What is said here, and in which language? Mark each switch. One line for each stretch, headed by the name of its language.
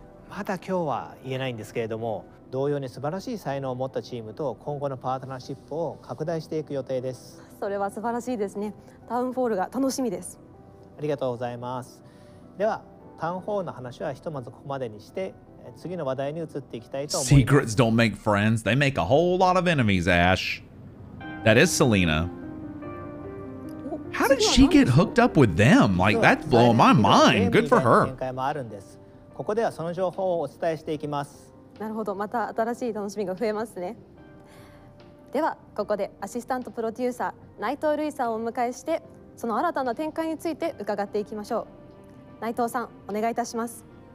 Japanese: まだ今日は言えないんですけれども、同様に素晴らしい才能を持ったチームと今後のパートナーシップを拡大していく予定です。それは素晴らしいですね。タウンフォールが楽しみです。ありがとうございます。では、タウンフォールの話はひとまずここまでにして、次の話題に移っていきたいと思います。
English: Secrets don't make friends. They make a whole lot of enemies, Ash. That is Selena. How did she get hooked up with them? Like, that's blowing my mind. Good for her.
Japanese: 展開もあるんです。ここではその情報をお伝えしていきます。なるほど。また新しい楽しみが増えますね。ではここでアシスタントプロデューサー内藤瑠衣さんをお迎えしてその新たな展開について伺っていきましょう。内藤さんお願いいたします。